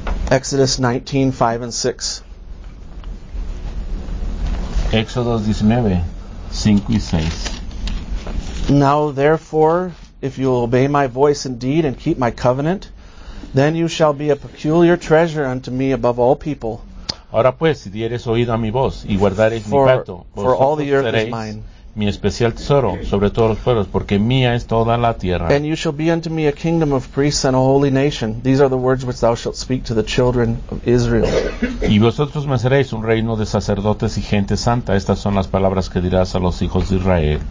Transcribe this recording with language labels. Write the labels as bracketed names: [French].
[English] Exodus 19, 5 and 6. [Spanish] Éxodo 19, 5 y 6. [English] Now, therefore, if you obey my voice indeed and keep my covenant, then you shall be a peculiar treasure unto me above all people. [Spanish] Ahora pues, si dieres oído a mi voz y guardares [English] for, [Spanish] mi pacto, [English] for all the earth is mine. [Spanish] Mi especial tesoro sobre todos los pueblos, porque mía es toda la tierra. [English] And you shall be unto me a kingdom of priests and a holy nation. These are the words which thou shalt speak to the children of Israel. [Spanish] Y vosotros me seréis un reino de sacerdotes y gente santa. Estas son las palabras que dirás a los hijos de Israel.